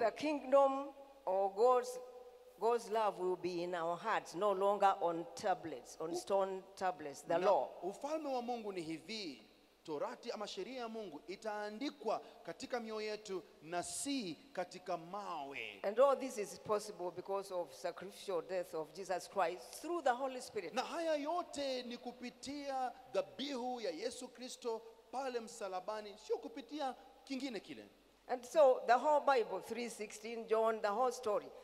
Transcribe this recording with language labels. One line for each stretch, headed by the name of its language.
English: The kingdom or God's love will be in our hearts, no longer on tablets, on stone tablets, the law.
Swahili: Ufalme wa Mungu ni hivi, torati ama sheria ya Mungu itaandikwa katika mioyo yetu na si katika mawe.
English: And all this is possible because of sacrificial death of Jesus Christ through the Holy Spirit.
Swahili: Na haya yote ni kupitia dhabihu ya Yesu Kristo pale msalabani, sio kupitia kingine kile.
English: And so the whole Bible, 3:16, John, the whole story.